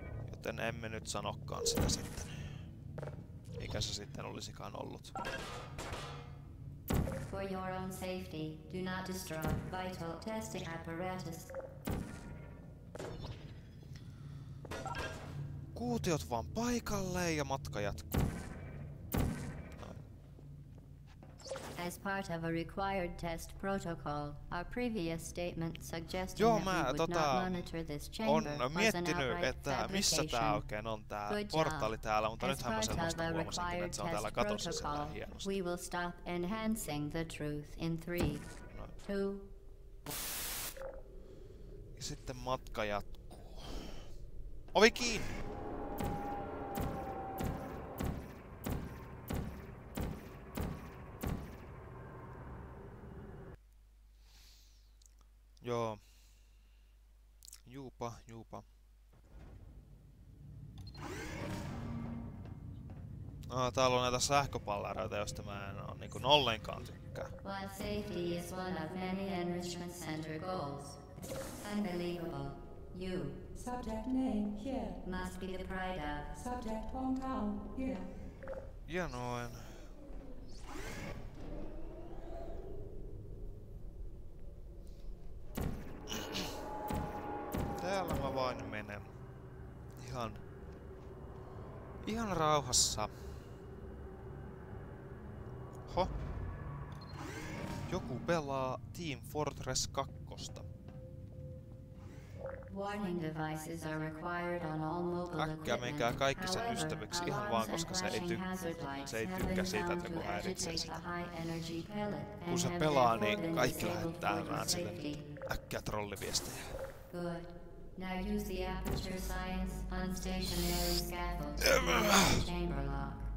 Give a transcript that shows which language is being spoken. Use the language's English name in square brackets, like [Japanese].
[Finnish] Joten emme nyt sanokaan sitä sitten. Eikä se sitten olisikaan ollut. [English] For your own safety, do not destroy vital testing apparatus. [Finnish] Kuutiot vaan paikalle ja matka jatkuu. [English] As part of a required test protocol, our previous statement suggested [Finnish] joo, [English] that we would not monitor this chamber. [Finnish] On miettinyt, että missä tää oikein on tää portaali täällä, mutta nythän mä selvästi huomasinkin, että se on täällä katossa sillä hienosti. [English] We will stop enhancing the truth in 3, 2. [Finnish] Ja sitten matka jatkuu. Ovi kiinni! Joo. Juupa. No, täällä on näitä sähköpallareita, joista mä en oo niinku ollenkaan tykkää. [English] While safety is one of many enrichment center goals. Unbelievable. You. Subject name here. Must be the pride of. Subject hometown here. [Finnish] Ja noin. Täällä mä vain menen. Ihan rauhassa. Ho. Joku pelaa Team Fortress 2. [English] Warning devices are required on all mobile equipment. [Finnish] Äkkiä menkää kaikki sen ystäväksi ihan vaan koska se ei tykkää siitä, että kun häiritsee sitä. Kun se pelaa, niin kaikki lähettää vähän sille äkkiä trolliviestejä. [English] Now use the aperture science on stationary scaffold to create the chamber lock.